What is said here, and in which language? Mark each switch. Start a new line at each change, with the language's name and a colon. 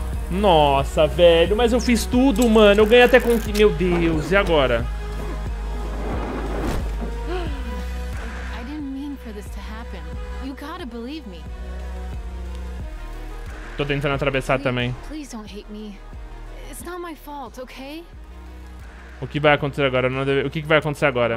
Portuguese: Nossa, velho, mas eu fiz tudo, mano. Eu ganhei até com... Meu Deus, e agora?
English: I didn't mean for this to happen. You gotta believe me.
Portuguese: Tô tentando atravessar também.
English: Please don't hate me. It's not my fault, okay?
Portuguese: O que vai acontecer agora? Não deve... O que vai acontecer agora?